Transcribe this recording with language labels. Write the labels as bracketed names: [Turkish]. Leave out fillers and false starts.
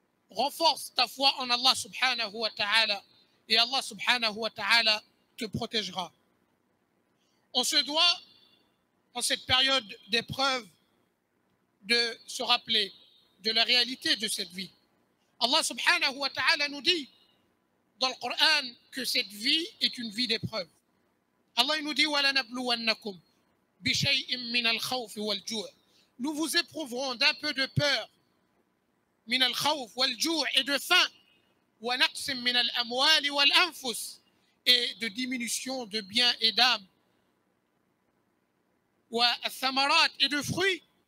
[French] Renforce ta foi en Allah subhanahu wa ta'ala et Allah subhanahu wa ta'ala te protégera. On se doit, en cette période d'épreuve, de se rappeler de la réalité de cette vie. Allah subhanahu wa ta'ala nous dit dans le Coran que cette vie est une vie d'épreuve. Allah nous dit [Arabic] وَلَنَبْلُوَنَّكُمْ بِشَيْءٍ مِّنَ الْخَوْفِ وَالْجُوعِ. [French] Nous vous éprouverons d'un peu de peur, [Arabic] مِّنَ الْخَوْفِ وَالْجُوعِ, [French] et de faim, [Arabic] وَنَقْسٍ مِّنَ الْأَمْوَالِ وَالْأَنْفُسِ, [French] et de diminution de biens et d'âmes, [Arabic] وَالثَّمَرَاتِ, [French] et de fruits.